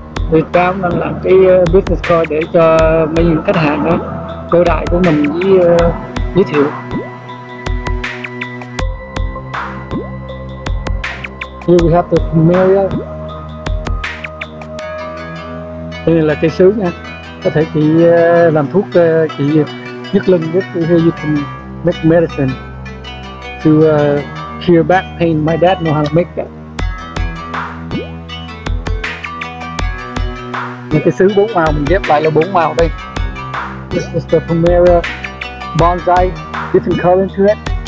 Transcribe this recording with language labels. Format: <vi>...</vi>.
<vi>Thì cha cũng đang làm cái business card để cho mấy khách hàng đó cơ đại của mình với giới thiệu.</vi> <en>Here we have the camellia.</en> <vi>Đây là cây sứ nha. Có thể chị làm thuốc chị nhức lưng biết.</vi> <en>Here you can make medicine to cure back pain. My dad know how to make that.</en> <vi>Một cái sứ bốn màu mình ghép lại là bốn màu đây.</vi> <en>This is the Pomera bonsai, different color to it.</en>